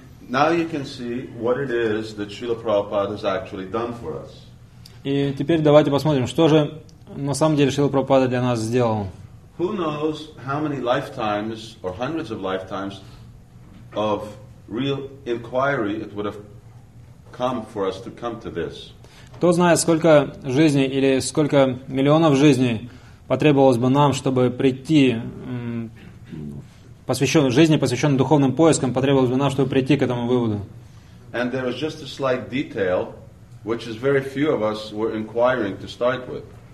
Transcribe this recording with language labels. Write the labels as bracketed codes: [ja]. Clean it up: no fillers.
[en] Now you can see what it is that Srila Prabhupada has actually done for us. [ru] И теперь давайте посмотрим, что же на самом деле Шрила Прабхупада для нас сделал. [en] Who knows how many lifetimes or hundreds of lifetimes of real inquiry it would have come for us to come to this. [ru] Кто знает, сколько жизней или сколько миллионов жизней потребовалось бы нам, чтобы прийти посвященной духовным поискам, потребовалось бы нам, чтобы прийти к этому выводу. [en] And there was just a slight detail which is very few of us were inquiring to start with.